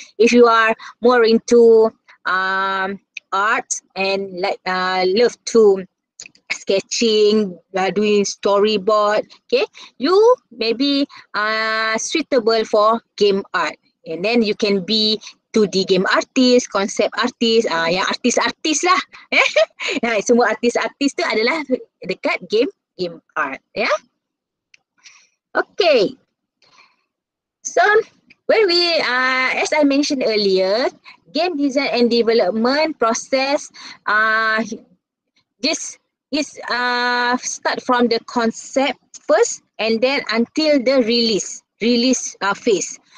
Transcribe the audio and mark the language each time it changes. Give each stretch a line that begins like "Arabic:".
English: If you are more into art and like love to sketching, doing storyboard, okay, you may be suitable for game art, and then you can be 2D game artist, concept artist,
Malay: yang artis-artis lah. Nah, semua artis-artis tu adalah dekat game art, ya.
English: Yeah? Okay. So, when we as I mentioned earlier, game design and development process this is start from the concept first and then until the release phase.